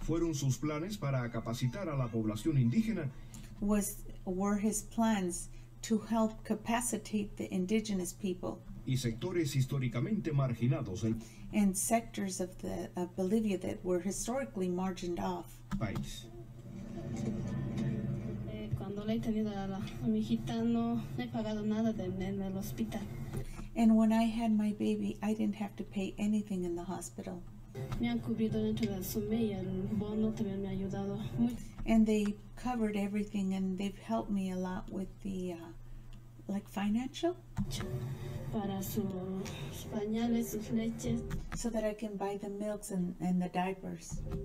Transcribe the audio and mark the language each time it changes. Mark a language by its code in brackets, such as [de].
[es] Fueron sus planes para capacitar a la población indígena. [en] Were his plans to help capacitate the indigenous people. [es] Y sectores históricamente marginados. [en] And sectors of the of Bolivia that were historically margined off. [es] País. Cuando le he tenido a mi hijita, no he pagado nada en el hospital. [en] And when I had my baby, I didn't have to pay anything in the hospital. [es] Me han cubierto dentro de su mes y el bono también me ha ayudado. [en] And they covered everything and they've helped me a lot with the, like, financial. [es] Para sus pañales, sus leches. [en] So that I can buy the milks and the diapers.